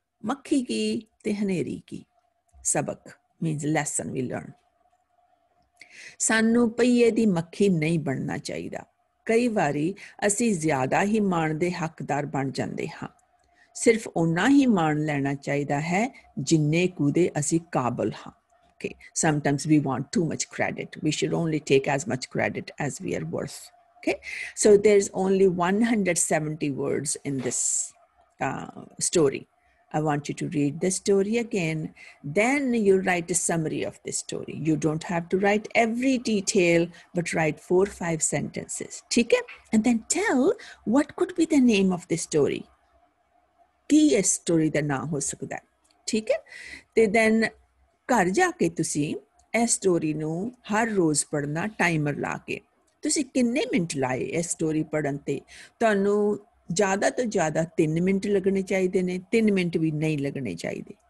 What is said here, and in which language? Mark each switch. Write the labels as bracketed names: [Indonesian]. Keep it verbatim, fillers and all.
[Punjabi] ਮੱਖੀ ਕੀ ਤੇ ਹਨੇਰੀ ਕੀ। ਸਬਕ [English] Means lesson we learn. [Punjabi] ਸਾਨੂੰ ਪਹੀਏ ਦੀ ਮੱਖੀ ਨਹੀਂ ਬਣਨਾ ਚਾਹੀਦਾ। ਕਈ ਵਾਰੀ ਅਸੀਂ ਜ਼ਿਆਦਾ ਹੀ ਮਾਣ ਦੇ ਹੱਕਦਾਰ ਬਣ ਜਾਂਦੇ ਹਾਂ। ਸਿਰਫ ਓਨਾ ਹੀ ਮਾਣ ਲੈਣਾ ਚਾਹੀਦਾ ਹੈ ਜਿੰਨੇ ਕੁ ਦੇ ਅਸੀਂ ਕਾਬਲ ਹਾਂ। [English] Okay, sometimes we want too much credit. We should only take as much credit as we are worth. Okay, so there's only one hundred seventy words in this uh, story. I want you to read the story again. Then you write a summary of the story. You don't have to write every detail, but write four or five sentences. [Punjabi] ठीक है? [English] And then tell what could be the name of the story. [Punjabi] ਕੀ ਇਸ story ਦਾ ਨਾਂ ਹੋ ਸਕਦਾ ਹੈ? ਠੀਕ ਹੈ, ਤੇ ਦੈਨ ਘਰ ਜਾ ਕੇ ਤੁਸੀਂ ਇਸ ਸਟੋਰੀ ਨੂੰ ਹਰ ਰੋਜ਼ ਪੜ੍ਹਨਾ, ਟਾਈਮਰ ਲਾ ਕੇ। ਤੁਸੀਂ ਕਿੰਨੇ ਮਿੰਟ ਲਾਏ ਇਸ ਸਟੋਰੀ ਪੜ੍ਹਨ ਤੇ? ਤੁਹਾਨੂੰ ਜ਼ਿਆਦਾ ਤੋਂ ਜ਼ਿਆਦਾ ਤਿੰਨ ਮਿੰਟ ਲੱਗਣੇ ਚਾਹੀਦੇ ਨੇ, ਤਿੰਨ ਮਿੰਟ ਵੀ ਨਹੀਂ ਲੱਗਣੇ ਚਾਹੀਦੇ।